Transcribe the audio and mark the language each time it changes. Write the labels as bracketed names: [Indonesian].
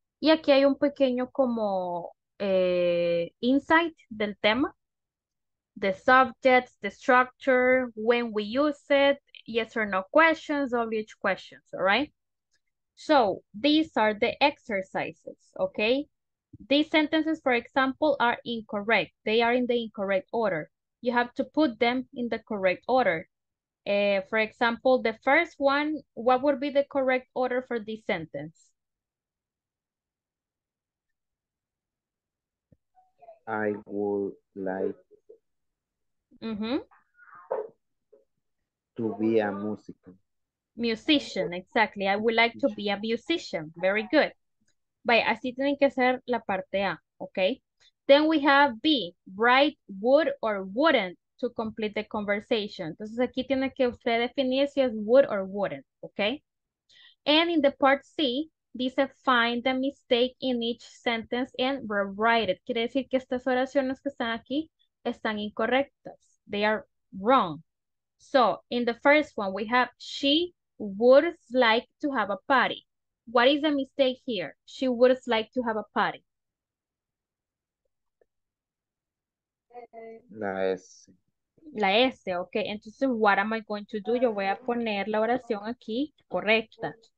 [Spanish] Y aquí hay un pequeño como insight del tema. [English] The subject, the structure, when we use it, yes or no questions, WH questions, all right? So these are the exercises, okay? These sentences, for example, are incorrect. They are in the incorrect order. You have to put them in the correct order. For example, the first one, what would be the correct order for this sentence? I would like to be a musician, exactly. I would like to be a musician. Very good. [Spanish] Vaya, así tienen que ser la parte A, okay? [English] Then we have B, write would or wouldn't to complete the conversation. [Spanish] Entonces aquí tiene que usted definir si es [English] would or wouldn't, [Spanish] okay? [English] And in the part C, dice find the mistake in each sentence and rewrite it. [Spanish] Quiere decir que estas oraciones que están aquí están incorrectas. [English] They are wrong. So in the first one, we have she would like to have a party. What is the mistake here? She would like to have a party. [Spanish] La S. La S, okay. [English] Entonces, what am I going to do? [Spanish] Yo voy a poner la oración aquí correcta.